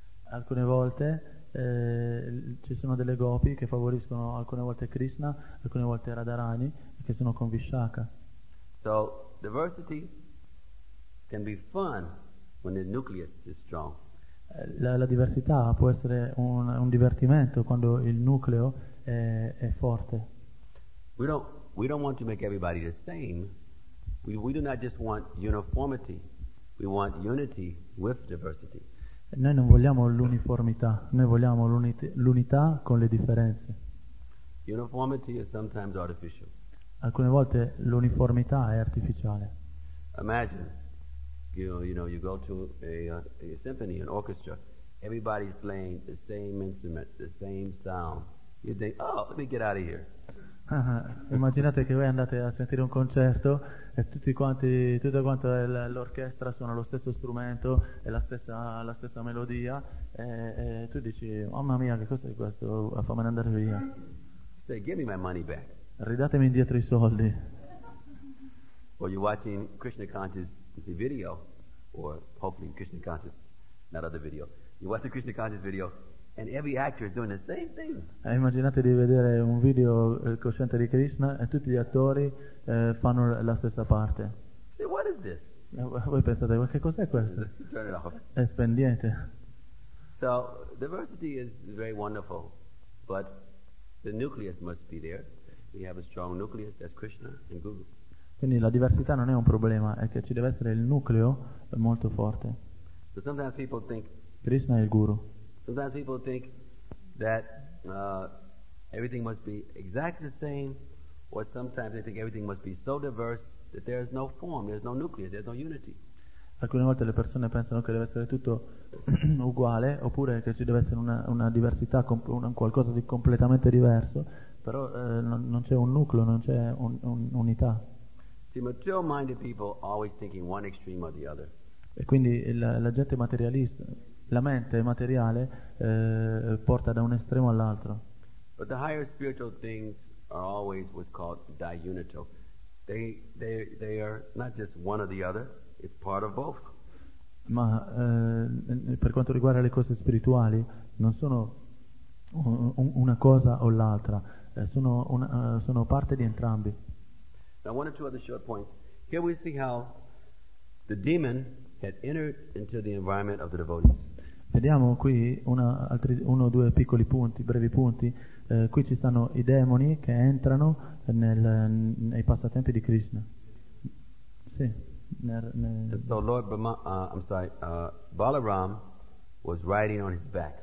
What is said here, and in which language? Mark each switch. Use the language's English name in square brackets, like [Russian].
[Italian] Alcune volte ci sono delle gopi che favoriscono alcune volte Krishna, alcune volte Radharani, che sono con Vishaka. [English] So diversity can be fun when the nucleus is strong. [Italian] La diversità può essere un divertimento quando il nucleo è forte. [English] We don't want to make everybody the same. We do not just want uniformity. We want unity with diversity. [Italian] Noi non vogliamo l'uniformità. Noi vogliamo l'unità con le differenze. [English] Uniformity is sometimes artificial. [Italian] Alcune volte l'uniformità è artificiale. [English] Imagine, you know, you go to a symphony, an orchestra. Everybody's playing the same instrument, the same sound. You think, oh, let me get out of here. [Italian] Immaginate che voi andate a sentire un concerto e tutta quanta l'orchestra suona lo stesso strumento e la stessa melodia e tu dici, mamma mia, che cos'è questo, fammene andare via. [English] Say, give me my money back. [Italian] Ridatemi indietro i soldi. [English] Or you're watching Krishna Conscious the video, or hopefully Krishna Conscious, not other video. You watch the Krishna Conscious video. And every actor is doing the same thing. [Italian] Immaginate di vedere un video cosciente di Krishna e tutti gli attori fanno la stessa parte. [English] Say, what is this? [Italian] Voi pensate, ma che cos'è questo? [English] Turn it off. [Italian] E spendiate. [English] So diversity is very wonderful, but the nucleus must be there. We have a strong nucleus as Krishna and Guru. [Italian] Quindi la diversità non è un problema, è che ci deve essere il nucleo molto forte. [English] So sometimes people think [Italian] Krishna è il Guru. [English] Sometimes people think that everything must be exactly the same, or sometimes they think everything must be so diverse that there is no form, there is no nucleus, there is no unity. [Italian] Alcune volte le persone pensano che deve essere tutto uguale, oppure che ci deve essere una diversità, qualcosa di completamente diverso, però non c'è un nucleo, non c'è un'unità. [English] See, material-minded people always thinking one extreme or the other. [Italian] E quindi la gente materialista. La mente materiale porta da un estremo all'altro. [English] But the higher spiritual things are always what's called diunital. They are not just one or the other, it's part of both. [Italian] Ma per quanto riguarda le cose spirituali, non sono una cosa o l'altra, sono parte di entrambi. [English] Now one or two other short points. Here we see how the demon had entered into the environment of the devotees. [Italian] Vediamo qui uno o due piccoli punti, brevi punti. Qui ci stanno i demoni che entrano nei passatempi di Krishna. Sì. [English] So Lord Brahma, I'm sorry, Balaram was riding on his back.